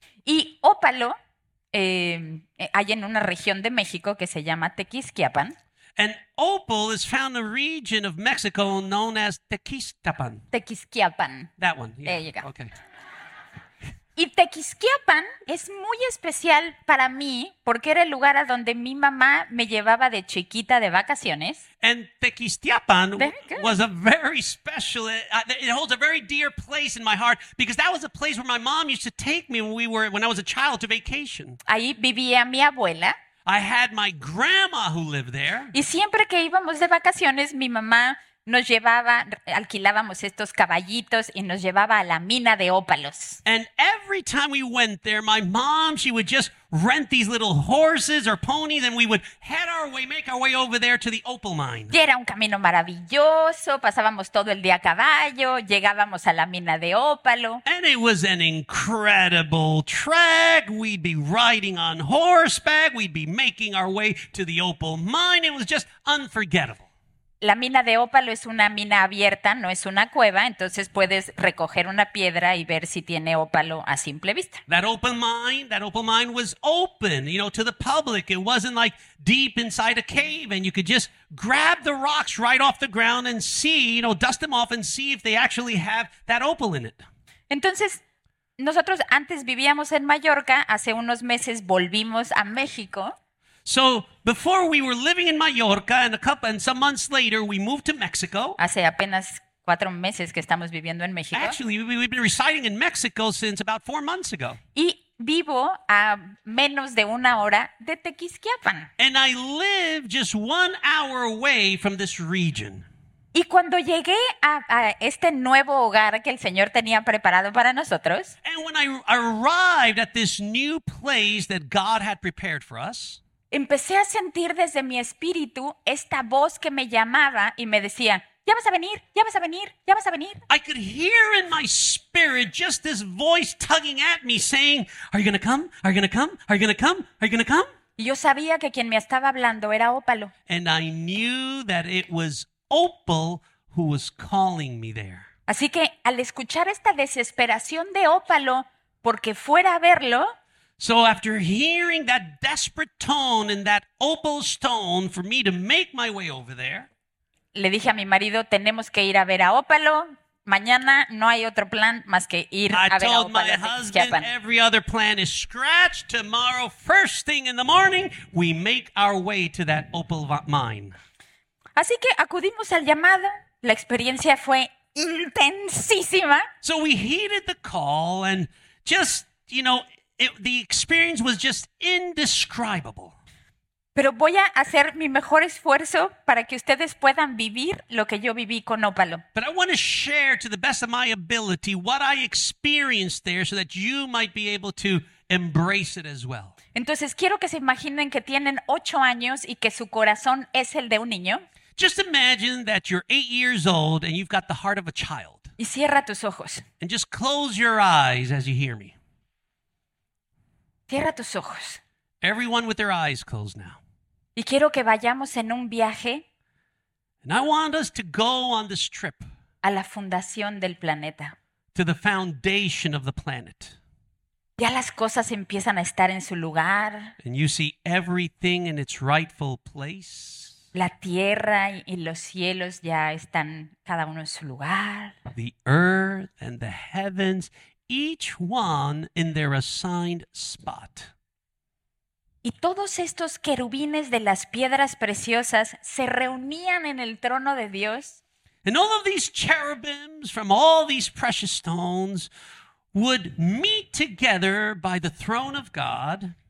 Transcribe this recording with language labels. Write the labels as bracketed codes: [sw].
[es] Y ópalo hay en una región de México que se llama Tequisquiapan. [en] And opal is found in a region of Mexico known as Tequisquiapan. Tequisquiapan. That one. Yeah. There you go. Okay. [es] Y Tequisquiapan es muy especial para mí porque era el lugar a donde mi mamá me llevaba de chiquita de vacaciones. [en] And Tequisquiapan was a very special, it holds a very dear place in my heart because that was a place where my mom used to take me when I was a child to vacation. [es] Ahí vivía mi abuela. [en] I had my grandma who lived there. [es] Y siempre que íbamos de vacaciones, mi mamá nos llevaba, alquilábamos estos caballitos y nos llevaba a la mina de ópalos. [en] And every time we went there, my mom, she would just rent these little horses or ponies and we would head our way, make our way over there to the opal mine. [es] Y era un camino maravilloso, pasábamos todo el día a caballo, llegábamos a la mina de ópalo. [en] And it was an incredible trek. We'd be riding on horseback, we'd be making our way to the opal mine. It was just unforgettable. [es] La mina de ópalo es una mina abierta, no es una cueva, entonces puedes recoger una piedra y ver si tiene ópalo a simple vista. [en] That opal mine was open, you know, to the public. It wasn't like deep inside a cave and you could just grab the rocks right off the ground and see, you know, dust them off and see if they actually have that opal in it. [es] Entonces, nosotros antes vivíamos en Mallorca, hace unos meses volvimos a México. [en] So before we were living in Mallorca and some months later we moved to Mexico. [es] Hace apenas 4 meses que estamos viviendo en México. [en] Actually, we've been residing in Mexico since about 4 months ago. [es] Y vivo a menos de una hora de Tequisquiapan. [en] And I live just 1 hour away from this region. [es] Y cuando llegué a este nuevo hogar que el Señor tenía preparado para nosotros. [en] And when I arrived at this new place that God had prepared for us. [es] Empecé a sentir desde mi espíritu esta voz que me llamaba y me decía, ya vas a venir, ya vas a venir, ya vas a venir. [en] I could hear in my spirit just this voice tugging at me saying, are you gonna come? Are you gonna come? Are you gonna come? Are you gonna come? [es] Y yo sabía que quien me estaba hablando era ópalo. [en] And I knew that it was opal who was calling me there. [es] Así que al escuchar esta desesperación de ópalo porque fuera a verlo, [en] So after hearing that desperate tone and that hopeless tone for me to make my way over there, [es] le dije a mi marido, tenemos que ir a ver a Ópalo. Mañana no hay otro plan más que ir a ver a Ópalo. [en] I told my husband every other plan is scratched. Tomorrow, first thing in the morning, we make our way to that opal mine. [es] Así que acudimos al llamado. La experiencia fue intensísima. [en] So we heeded the call and just, you know, the experience was just indescribable. [es] Pero voy a hacer mi mejor esfuerzo para que ustedes puedan vivir lo que yo viví con Ópalo. [en] But I want to share to the best of my ability what I experienced there so that you might be able to embrace it as well. [es] Entonces quiero que se imaginen que tienen 8 años y que su corazón es el de un niño. [en] Just imagine that you're 8 years old and you've got the heart of a child. [es] Y cierra tus ojos. [en] And just close your eyes as you hear me. [es] Cierra tus ojos. [en] Everyone with their eyes closed now. [es] Y quiero que vayamos en un viaje. [en] And I want us to go on this trip. [es] A la fundación del planeta. [en] To the foundation of the planet. [es] Ya las cosas empiezan a estar en su lugar. [en] And you see everything in its rightful place. [es] La tierra y los cielos ya están cada uno en su lugar. [en] The earth and the heavens, each one in their assigned spot. [es] Y todos estos querubines de las piedras preciosas se reunían en el trono de Dios. [en] And all of these cherubims from all these precious stones would meet together by the throne of God.